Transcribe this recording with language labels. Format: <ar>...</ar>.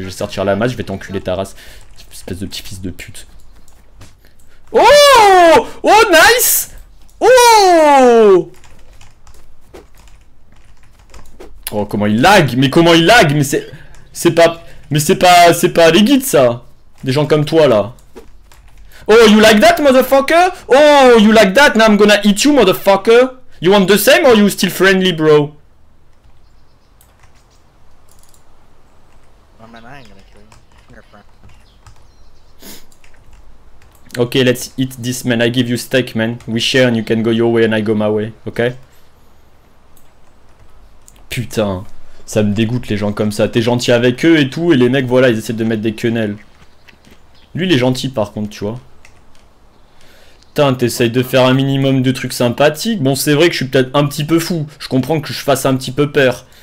<fr>Je vais sortir la masse, je vais t'enculer ta race. Espèce de petit fils de pute.</fr> <en>Oh, oh, nice. Oh.</en> <fr>Oh comment il lag, mais c'est pas les guides ça, des gens comme toi là.</fr> <en>Oh you like that motherfucker, oh you like that, now I'm gonna eat you motherfucker. You want the same or you still friendly bro? Oh, man, I ain't gonna kill you. Okay let's eat this man, I give you steak man, we share and you can go your way and I go my way, okay?</en> <fr>Putain, ça me dégoûte les gens comme ça. T'es gentil avec eux et tout, et les mecs, voilà, ils essaient de mettre des quenelles. Lui, il est gentil par contre, tu vois. Putain, t'essayes de faire un minimum de trucs sympathiques. Bon, c'est vrai que je suis peut-être un petit peu fou. Je comprends que je fasse un petit peu peur.</fr>